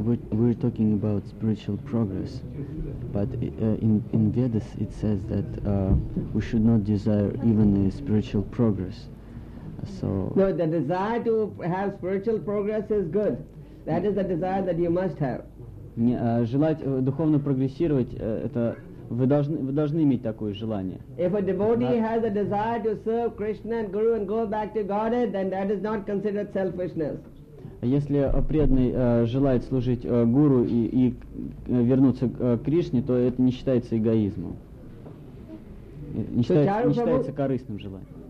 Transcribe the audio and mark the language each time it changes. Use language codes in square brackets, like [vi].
[en] We're talking about spiritual progress, but in Vedas it says that we should not desire even a spiritual progress. So no, the desire to have spiritual progress is good. That is the desire that you must have. [ru] Желать духовно прогрессировать, это вы должны иметь такое желание. [en] If a devotee has a desire to serve Krishna and Guru and go back to Godhead, then that is not considered selfishness. [ru] Если преданный желает служить Гуру и вернуться к Кришне, то это не считается эгоизмом. Не считается корыстным желанием.